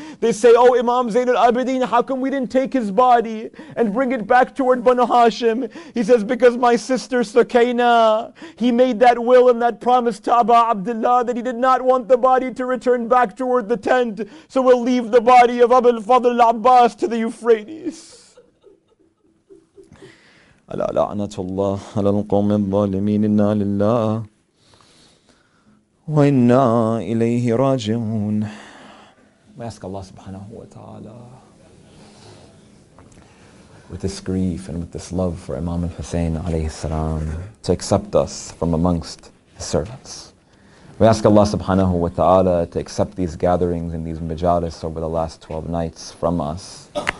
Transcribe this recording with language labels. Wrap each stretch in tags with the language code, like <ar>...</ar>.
<en>They say, "Oh Imam Zain al-Abidin, how come we didn't take his body and bring it back toward Banu Hashim?" He says, "Because my sister Sukaina, he made that will and that promise to Aba Abdullah that he did not want the body to return back toward the tent. So we'll leave the body of Abu al-Fadl al-Abbas to the Euphrates."</en> <ar>ألا لعنة الله على القوم الظالمين إنا لله وإنا إليه راجعون.</ar> <en>We ask Allah subhanahu wa ta'ala, with this grief and with this love for Imam al-Hussein alayhi salam, to accept us from amongst his servants. We ask Allah subhanahu wa ta'ala to accept these gatherings and these majalis over the last 12 nights from us.</en>